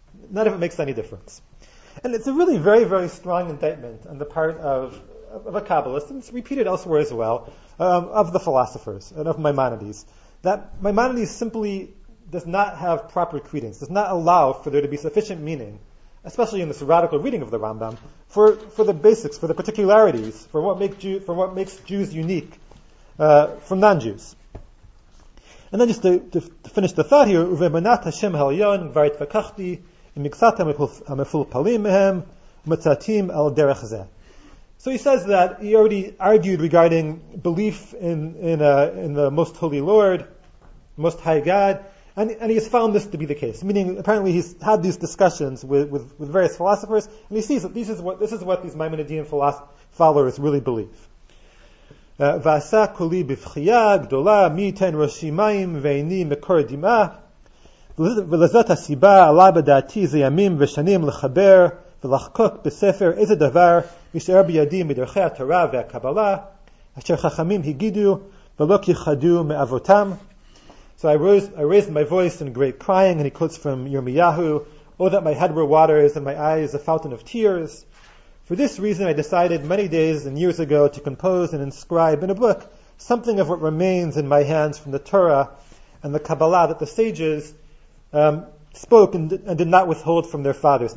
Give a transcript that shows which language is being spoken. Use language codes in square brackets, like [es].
[en] None of it makes any difference. And it's a really very, very strong indictment on the part of a Kabbalist, and it's repeated elsewhere as well, of the philosophers and of Maimonides, that Maimonides simply does not have proper credence, does not allow for there to be sufficient meaning, especially in this radical reading of the Rambam, for the basics, for the particularities, for what makes Jews unique from non-Jews. And then just to finish the thought here, [he] ובמנת השם העליון כבר התפקחתי עם מקצת המפולפלים מהם ומצאתים על דרך זה. [en] So he says that he already argued regarding belief in the Most Holy Lord, Most High God, and he has found this to be the case. Meaning, apparently he's had these discussions with various philosophers, and he sees that this is what these Maimonidean followers really believe. [he] ועשה כולי בבחייה גדולה מי יתן ראשי מים ואיני מקור דמעה ולזאת הסיבה עלה בדעתי זה ימים ושנים לחבר ולחקוק בספר איזה דבר נשאר בידי מדרכי התורה והקבלה אשר חכמים הגידו ולא כיחדו מאבותם. [en] So I raised my voice in great crying, and he quotes from Yirmiyahu, "Oh that my head were waters and my eyes a fountain of tears. For this reason, I decided many days and years ago to compose and inscribe in a book something of what remains in my hands from the Torah and the Kabbalah that the sages spoke and did not withhold from their fathers."